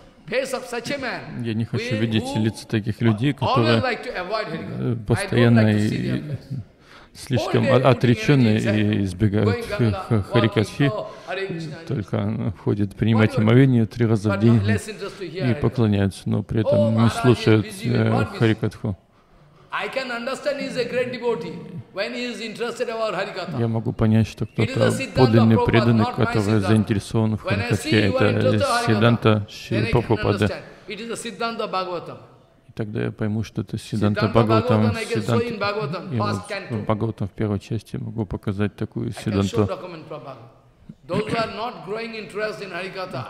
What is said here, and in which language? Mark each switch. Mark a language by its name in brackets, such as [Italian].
[Russian] Я не хочу видеть лица таких людей, которые постоянно и слишком отреченные и избегают Харикатхи, только ходят принимать омовение три раза в день и поклоняются, но при этом не слушают Харикатху. [English] I can understand he is a great devotee when he is interested in our Harikatha. [Russian] Я могу понять, что кто-то подлинный преданный, который заинтересован в Харикатхе, это Сиддханта Шри Прабхупада. [English] It is a Siddhanta Bhagavatam. [Russian] И тогда я пойму, что это Сиддханта Бхагаватам. Бхагаватам в первой части могу показать такую Сиддханту. [English] Those who are not growing interest in Harikatha.